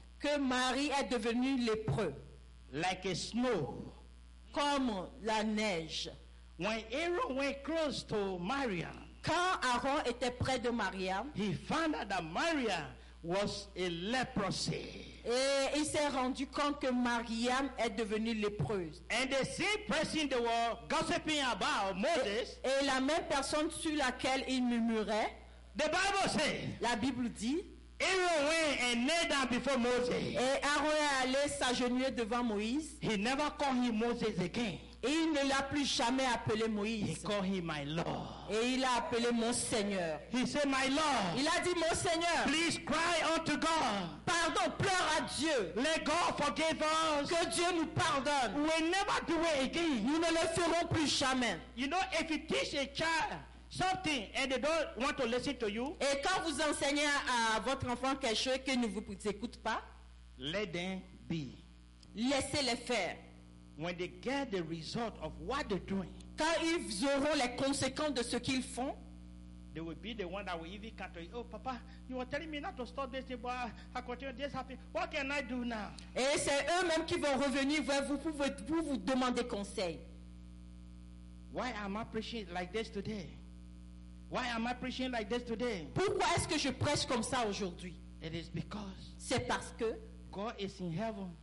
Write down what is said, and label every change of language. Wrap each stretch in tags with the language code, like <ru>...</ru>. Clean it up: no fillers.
<fr>Que Marie est devenue lépreux.</fr> <en>Like a snow.</en> <fr>Comme la neige.</fr> <en>When Aaron went close to Miriam,</en> <fr>quand Aaron était près de Mariam,</fr> <en>he found out that Mariam was a leprosy.</en> <fr>Et il s'est rendu compte que Mariam est devenue lépreuse.</fr> <en>And the same person they were gossiping about, Moses,</en> <fr>et la même personne sur laquelle il murmurait,</fr> <en>the Bible says,</en> <fr>la Bible dit,</fr> <en>Aaron went and knelt down before Moses.</en> <fr>Et Aaron est allé s'agenouiller devant Moïse.</fr> <en>He never called him Moses again.</en> <fr>Et il ne l'a plus jamais appelé Moïse.</fr> <en>He called him my Lord.</en> <fr>Et il a appelé mon Seigneur.</fr> <en>He said, my Lord.</en> <fr>Il a dit, mon Seigneur.</fr> <en>Please cry unto God.</en> <fr>Pardon, pleure à Dieu.</fr> <en>Let God forgive us.</en> <fr>Que Dieu nous pardonne.</fr> <en>We never do it again.</en> <fr>Nous ne le ferons plus jamais.</fr> <en>You know, if you teach a child something and they don't want to listen to you.</en> <fr>Et quand vous enseignez à votre enfant quelque chose qu'il ne vous écoute pas,</fr> <en>let them be.</en> <fr>Laissez-les faire.</fr> <en>When they get the result of what they're doing,</en> <fr>quand ils auront les conséquences de ce qu'ils font,</fr> <en>they will be the one that will even come to you. Oh, Papa, you are telling me not to stop this thing, but I continue this happening. What can I do now?</en> <fr>Et c'est eux-mêmes qui vont revenir vers vous pour vous demander conseil.</fr> <en>Why am I preaching like this today? Why am I preaching like this today?</en> <fr>Pourquoi est-ce que je prêche comme ça aujourd'hui?</fr> <en>It is because</en> <fr>c'est parce que</fr> <en>God is in heaven.</en>